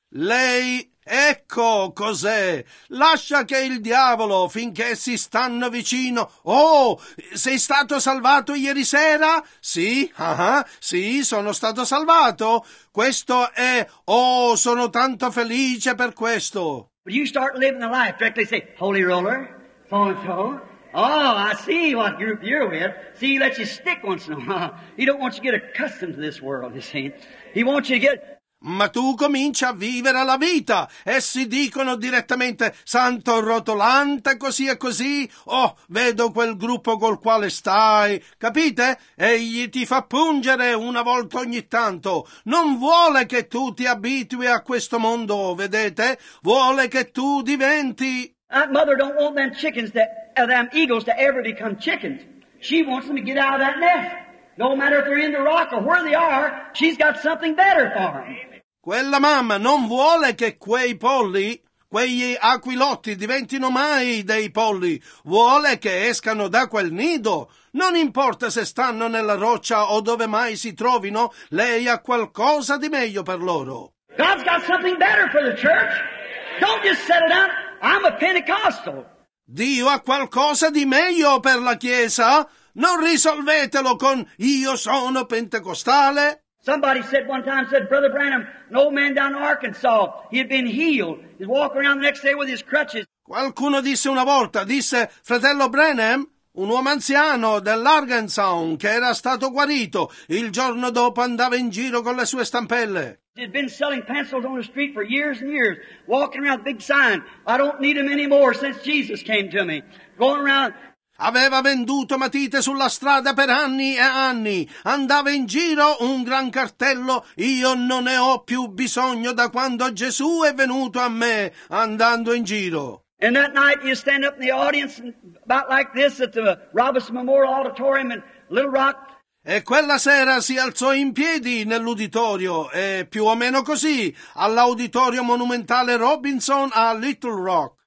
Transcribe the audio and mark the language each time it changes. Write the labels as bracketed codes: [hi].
[it] Lei, ecco cos'è, lascia che il diavolo, finché si stanno vicino, oh, sei stato salvato ieri sera? Sì, sì, sono stato salvato, questo è, oh, sono tanto felice per questo. [en] But you start living the life, directly say, holy roller, so-and-so, oh, I see what group you're with, see, he lets you stick once in a while, he don't want you to get accustomed to this world, you see, he wants you to get... [it] Ma tu cominci a vivere la vita. Essi dicono direttamente, santo rotolante, così e così. Oh, vedo quel gruppo col quale stai. Capite? Egli ti fa pungere una volta ogni tanto. Non vuole che tu ti abitui a questo mondo, vedete? Vuole che tu diventi... [en] That mother don't want them chickens, them eagles to ever become chickens. She wants them to get out of that nest. No matter if they're in the rock or where they are, she's got something better for them. [it] Quella mamma non vuole che quei polli, quegli aquilotti, diventino mai dei polli. Vuole che escano da quel nido. Non importa se stanno nella roccia o dove mai si trovino, lei ha qualcosa di meglio per loro. [en] God's got something better for the church. Don't just set it up. I'm a Pentecostal. [it] Dio ha qualcosa di meglio per la Chiesa. Non risolvetelo con io sono pentecostale. [en] Somebody said one time, said Brother Branham, an old man down in Arkansas, he had been healed. He'd walk around the next day with his crutches. [it] Qualcuno disse una volta, disse fratello Branham, un uomo anziano dell'Arkansas che era stato guarito, il giorno dopo andava in giro con le sue stampelle. [en] He'd been selling pencils on the street for years and years, walking around with a big sign, I don't need them anymore since Jesus came to me. Going around. [it] Aveva venduto matite sulla strada per anni e anni. Andava in giro un gran cartello. Io non ne ho più bisogno da quando Gesù è venuto a me, andando in giro. [en] And that night you stand up in the audience about like this at the Robbins Memorial Auditorium in Little Rock. [it] E quella sera si alzò in piedi nell'uditorio, e più o meno così, all'auditorio monumentale Robinson a Little Rock.